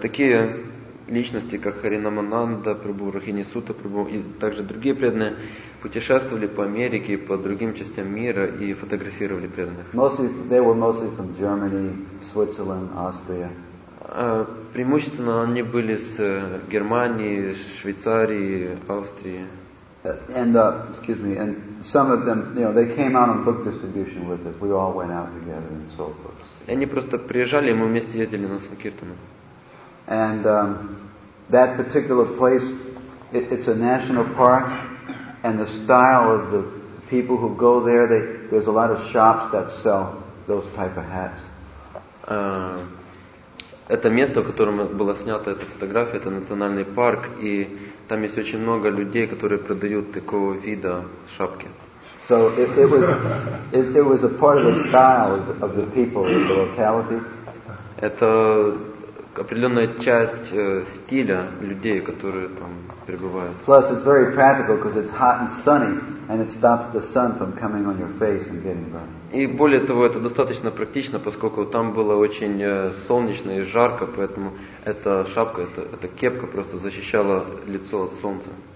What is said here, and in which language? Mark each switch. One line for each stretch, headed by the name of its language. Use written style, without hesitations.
Russian: Такие личности, как Харинамананда Прабху, Рахини Сута Прабху и также другие преданные путешествовали по Америке, по другим частям мира и фотографировали преданных.
English: They were mostly from Germany, Switzerland, Austria.
Russian: Преимущественно они были с Германии, Швейцарии, Австрии.
English: And some of them, you know, they came out on book distribution with us. We all went out together and sold books.
Russian: И они просто приезжали, и мы вместе ездили на Санкиртану.
English: And that particular place, it's a national park, and the style of the people who go there, there's a lot of shops that sell those type of hats.
Russian: Это место, в котором была снята эта фотография, это национальный парк, и там есть очень много людей, которые продают такого вида шапки.
English: So it was a part of the style of the people of the locality.
Russian: Это определенная часть стиля людей, которые там пребывают.
English: Plus, it's very practical because it's hot and sunny, and it stops the sun from coming on your face and getting burned.
Russian: И более того, это достаточно практично, поскольку там было очень солнечно и жарко, поэтому эта шапка, эта кепка просто защищала лицо от солнца.